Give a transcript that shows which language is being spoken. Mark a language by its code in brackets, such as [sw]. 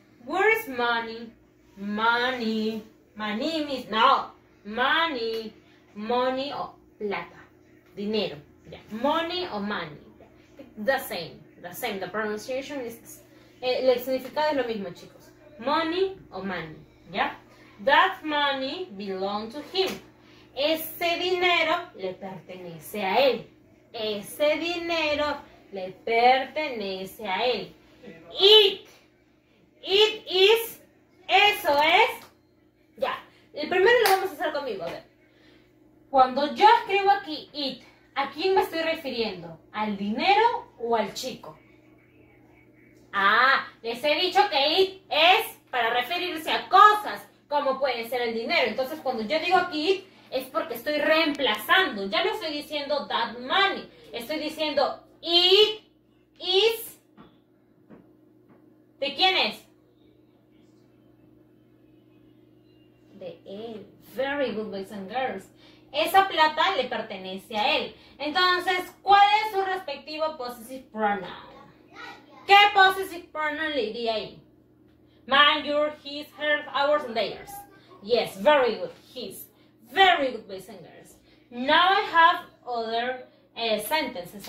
[en] Where is money? Money. Money means, no. Money. Money [es] o plata. Dinero. [en] Yeah. Money o money. The same. The same. The pronunciation is, [es] el significado es lo mismo, chicos. [en] Money o money. Yeah. That money belong to him. [es] Ese dinero le pertenece a él. Ese dinero le pertenece a él. [en] It. It is. [es] Eso es. Ya. El primero lo vamos a hacer conmigo. A ver. Cuando yo escribo aquí it, ¿a quién me estoy refiriendo? ¿Al dinero o al chico? Ah, les he dicho que it es para referirse a cosas, como puede ser el dinero. Entonces, cuando yo digo aquí it, es porque estoy reemplazando. Ya no estoy diciendo [en] that money. [es] Estoy diciendo [en] it is. [es] ¿De quién es? De él. [en] Very good, boys and girls. [es] Esa plata le pertenece a él. Entonces, ¿cuál es su respectivo possessive pronoun? ¿Qué possessive pronoun le diría ahí? [en] Mine, your, his, hers, ours, and theirs. Yes, very good. His. Very good, boys and girls. Now I have other sentences.